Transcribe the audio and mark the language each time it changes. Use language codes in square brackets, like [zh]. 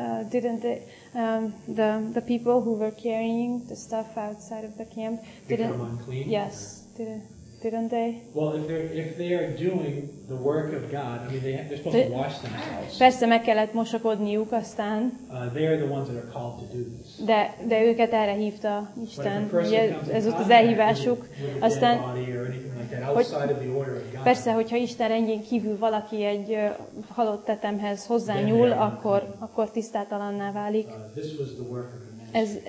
[en] Didn't they, the people who were carrying the stuff outside of the camp didn't, become unclean? Yes, didn't they? Well, if they are doing the work of God, I mean they're supposed to wash themselves. [hu] Persze meg kellett mosakodniuk aztán. [en] They are the ones that are called to do this. [hu] De őket erre hívta Isten. Ez ott az elhívásuk. Aztán [en] outside of the order of God. [hu] Persze, hogyha Isten rendjén kívül valaki egy halott tetemhez hozzányúl, akkor tisztátalanná válik. [en] This was the work of the ministry.